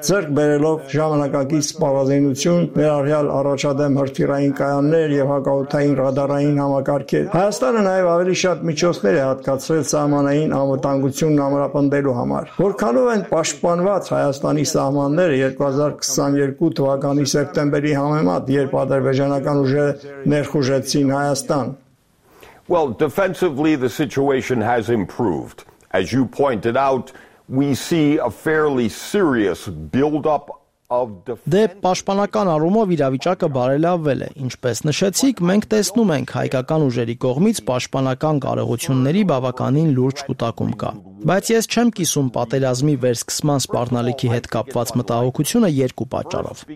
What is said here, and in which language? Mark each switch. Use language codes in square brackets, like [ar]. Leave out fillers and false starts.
[hy] ձեռք բերելով ժամանակակից սպառազինություն, ներառյալ առաջադեմ հրթիռային կայաններ եւ հակաօդային ռադարային համակարգեր։ Հայաստանը նաեւ ավելի շատ միջոցներ է հատկացրել սահմանային անվտանգությունն ամրապնդելու համար։ Որքանով են պաշտպանված Հայաստանի սահմանները 2022 թվականի սեպտեմբերին, երբ ադրբեջանական ուժերը ներխուժեցին Հայաստան։ [en] Well, defensively the situation has improved. As you pointed out, we see a fairly serious build up of defense. [hy] Դե պաշտպանական առումով իրավիճակը բարելավվել է, ինչպես նշեցիք, մենք տեսնում ենք հայկական ուժերի կողմից պաշտպանական կարողությունների բավականին լուրջ կուտակում կա։ Բայց ես չեմ կիսում պատերազմի վերսկսման սպառնալիքի հետ կապված մտահոգությունը երկու պատճառով։